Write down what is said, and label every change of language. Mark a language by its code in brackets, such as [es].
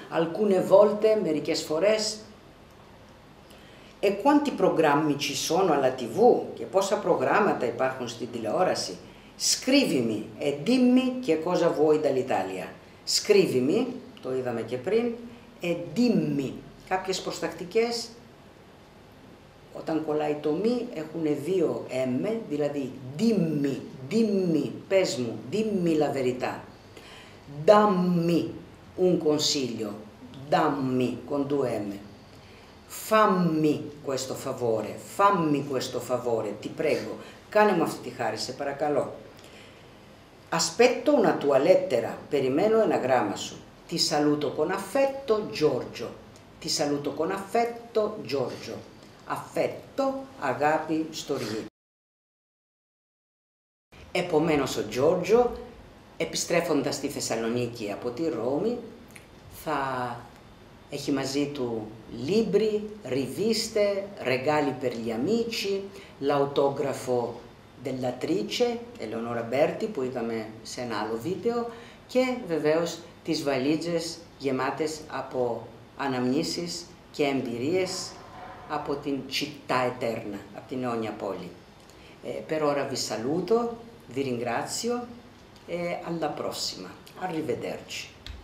[it] Alcune volte, [el] μερικές φορές. [it] E quanti programmi ci sono alla TV? [el] Και πόσα προγράμματα υπάρχουν στην τηλεόραση? [it] Scrivimi e dimmi che cosa vuoi dall'Italia. Scrivimi, [el] το είδαμε και πριν, [it] e dimmi. [el] Κάποιες προστακτικές, όταν κολλάει το μη, έχουν δύο M, δηλαδή [it] dimmi, dimmi, [el] πες μου, [it] dimmi la verità. Dammi un consiglio, dammi, con due M. Fammi questo favore, fammi questo favore, ti prego, [el] κάνε μου αυτή τη χάρη, σε παρακαλώ. [it] Aspetto una tua lettera, [el] περιμένω ένα γράμμα σου. [it] Ti saluto con affetto, Giorgio. Ti saluto con affetto, Giorgio. [el] Affetto, αγάπη, στοργή. Επομένως ο Giorgio, επιστρέφοντας στη Θεσσαλονίκη από τη Ρώμη, θα έχει μαζί του [it] libri, riviste, regali per gli amici, l'autografo dell'attrice Eleonora Berti, [el] που είδαμε σε ένα άλλο βίντεο, και βεβαίως τις βαλίτσες γεμάτες από αναμνήσεις και εμπειρίες από την Città Eterna, από την αιώνια πόλη. [it] Per ora vi saluto, vi ringrazio e alla prossima. Arrivederci.